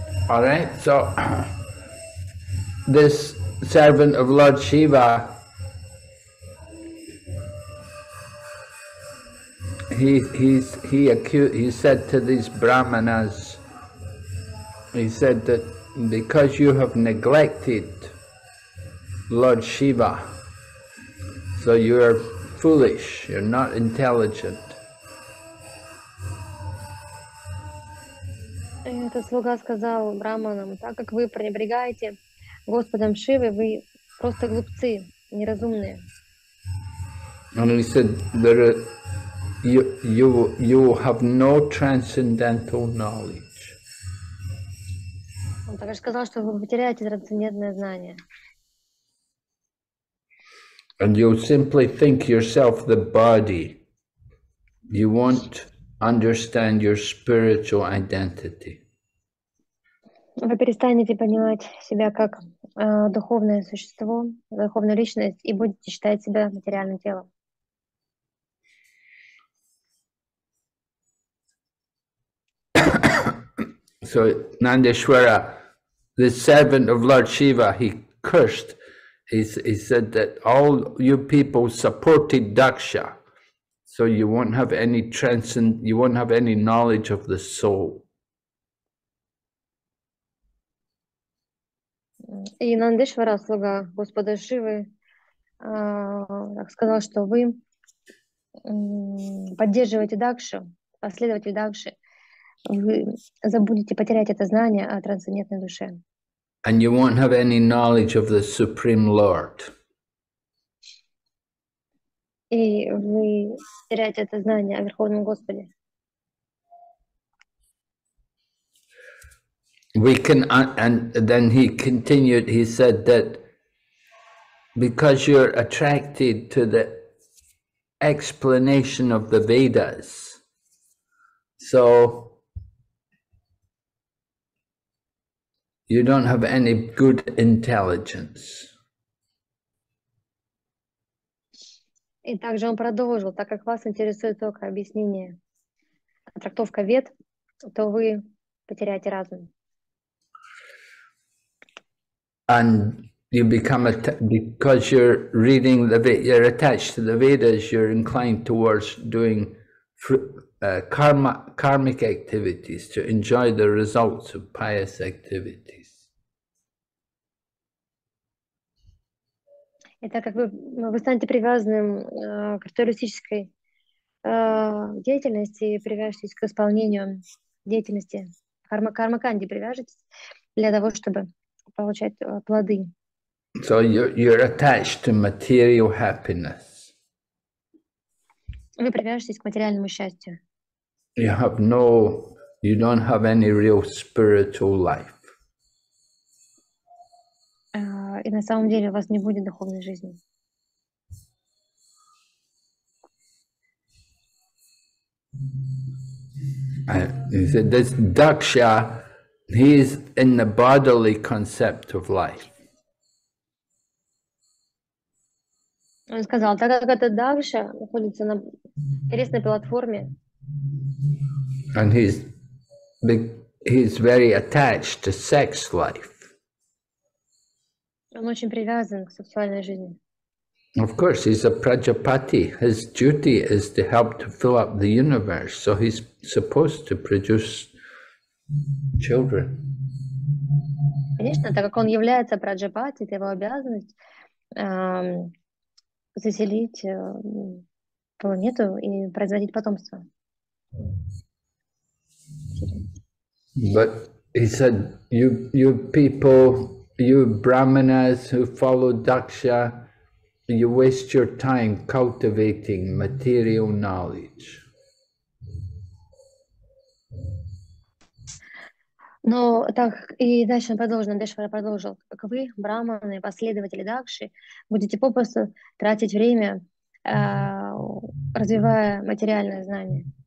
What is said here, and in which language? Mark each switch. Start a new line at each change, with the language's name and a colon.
English: All right, so this servant of Lord Shiva, he said to these brahmanas, he said that because you have neglected Lord Shiva, so you are foolish, you're not intelligent.
Russian: Этот слуга сказал брахманам, так как вы пренебрегаете Господом Шивой, вы просто глупцы, неразумные.
English: And he said that you have no transcendental knowledge.
Russian: Он также сказал, что вы потеряете трансцендентное знание.
English: And you simply think yourself the body. You won't understand your spiritual identity.
Russian: Вы перестанете понимать себя как духовное существо, духовную личность, и будете считать себя материальным телом.
English: So Nandeshwara, the servant of Lord Shiva, he cursed. He said that all you people supported Daksha, so you won't have any transcend, you won't have any knowledge of the soul.
Russian: И Нандешвара, слуга Господа Шивы, сказал, что вы поддерживаете Дакшу, последователь Дакши, вы забудете потерять это знание о трансцендентной душе.
English: And you won't have any knowledge of the Supreme Lord.
Russian: И вы теряете это знание о Верховном Господе.
English: We can, and then he continued, he said that because you're attracted to the explanation of the Vedas, so you don't have any good intelligence.
Russian: И также он продолжил, так как вас интересует только объяснение, трактовка вед, то вы потеряете разум.
English: And you become because you're reading the you're attached to the Vedas, you're inclined towards doing karmic activities to enjoy the results of pious activities.
Russian: И так как вы станете привязанным к туристической деятельности, привяжетесь к исполнению деятельности карма-карма-канди, привяжетесь для того, чтобы получать плоды.
English: So you're attached to material happiness.
Russian: Вы привяжетесь к материальному счастью.
English: You have no, you don't have any real spiritual life.
Russian: И на самом деле у вас не будет духовной жизни.
English: He said this Daksha, he is in the bodily concept of life.
Russian: Он сказал, так как это Дакша находится на телесной платформе.
English: And he's very attached to sex life.
Russian: Он очень привязан к сексуальной жизни.
English: Of course, he's a prajapati. His duty is to help to fill up the universe, so he's supposed to produce children.
Russian: Конечно, так как он является праджапати, это его обязанность заселить планету и производить потомство.
English: But he said, you people, you brahmanas who follow Daksha, you waste your time cultivating material knowledge.
Russian: Но так и дальше продолжил, Дешвара продолжил, как вы, брахманы, последователи Дакши, будете попросту тратить время, развивая материальное знание.